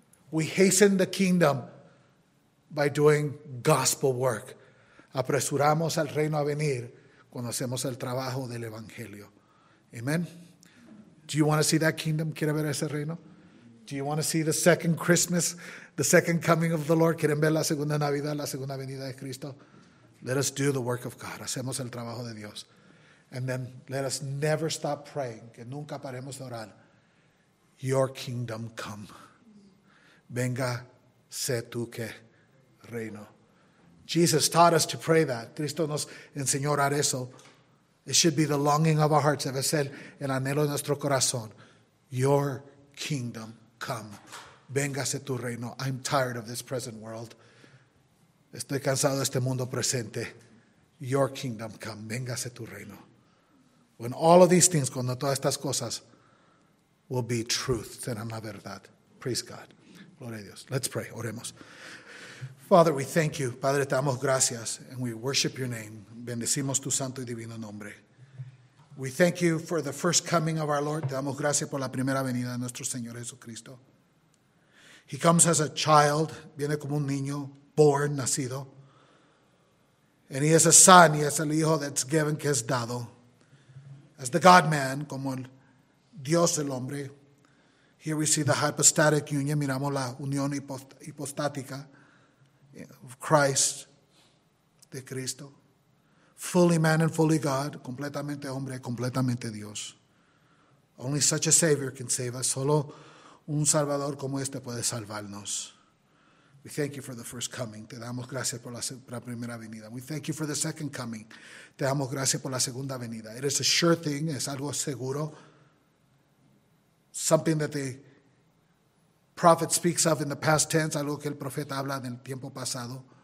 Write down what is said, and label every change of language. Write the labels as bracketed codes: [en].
[en] We hasten the kingdom by doing gospel work. [es] Apresuramos al reino a venir cuando hacemos el trabajo del evangelio. [en] Amen. Do you want to see that kingdom? [es] ¿Quiere ver ese reino? [en] Do you want to see the second Christmas, the second coming of the Lord? [es] ¿Quieren ver la segunda Navidad, la segunda venida de Cristo? [en] Let us do the work of God. [es] Hacemos el trabajo de Dios. [en] And then let us never stop praying. [es] Que nunca paremos de orar. [en] Your kingdom come. [es] Venga, sé tú que reino. [en] Jesus taught us to pray that. [es] Cristo nos enseñó a orar eso. [en] It should be the longing of our hearts. [es] Debe ser el anhelo de nuestro corazón. [en] Your kingdom come. [es] Véngase tu reino. [en] I'm tired of this present world. [es] Estoy cansado de este mundo presente. [en] Your kingdom come. [es] Véngase tu reino. [en] When all of these things, [es] cuando todas estas cosas, [en] will be truth, [es] serán la verdad. [en] Praise God. [es] Gloria a Dios. [en] Let's pray. [es] Oremos. [en] Father, we thank you. [es] Padre, te damos gracias. [en] And we worship your name. [es] Bendecimos tu santo y divino nombre. [en] We thank you for the first coming of our Lord. [es] Te damos gracias por la primera venida de nuestro Señor Jesucristo. [en] He comes as a child, [es] viene como un niño, [en] born, [es] nacido. [en] And he is a son, he is el hijo that's given, [es] que es dado. [en] As the God-man, [es] como el Dios el hombre. [en] Here we see the hypostatic union, [es] miramos la unión hipostática [en] of Christ, [es] de Cristo. [en] Fully man and fully God, [es] completamente hombre, completamente Dios. [en] Only such a Savior can save us. [es] Solo un Salvador como este puede salvarnos. [en] We thank you for the first coming. [es] Te damos gracias por la primera venida. [en] We thank you for the second coming. [es] Te damos gracias por la segunda venida. [en] It is a sure thing. [es] Es algo seguro. [en] Something that the prophet speaks of in the past tense. [es] Algo que el profeta habla en el tiempo pasado.